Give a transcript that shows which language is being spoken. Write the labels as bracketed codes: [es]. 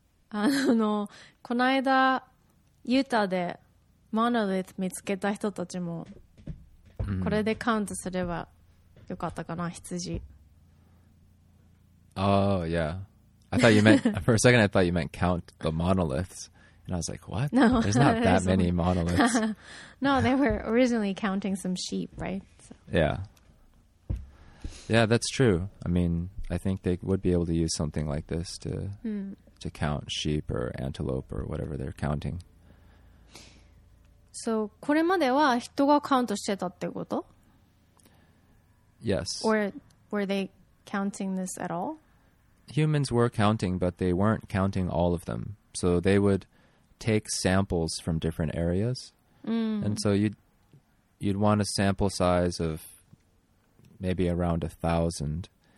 [ja] この間ユータでモノリス見つけた人たちも、mm-hmm. これでカウントすればよかったかな、羊。 [en] Oh, yeah. I thought you meant, for a second, I thought you meant count the monoliths. And I was like, what? No. There's not that many monoliths. No, they were originally counting some sheep, right? So. Yeah. Yeah, that's true. I mean, I think they would be able to use something like this to,、to count sheep or antelope or whatever they're counting. [ja] So, これまでは人がカウントしてたってこと? [en] Yes. Or were they counting this at all? Humans were counting, but they weren't counting all of them. So they would take samples from different areas.、And so you'd want a sample size of maybe around 1,000.